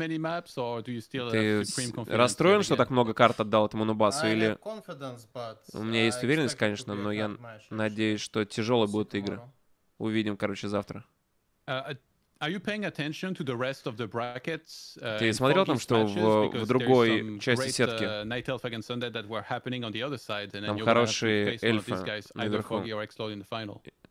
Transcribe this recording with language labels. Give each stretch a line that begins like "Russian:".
Russian: Ты расстроен, что так много карт отдал этому нубасу? Или... У меня есть уверенность, конечно, но я надеюсь, что тяжелые будут игры. Увидим, короче, завтра.
English: Are you paying attention to the rest of the brackets?
Russian: Ты смотрел там, что в другой части сетки?
English: Night Elf against Sundead that were happening on the other side, and then you're gonna have to face one of these guys, either Foggy or Exploding in the final.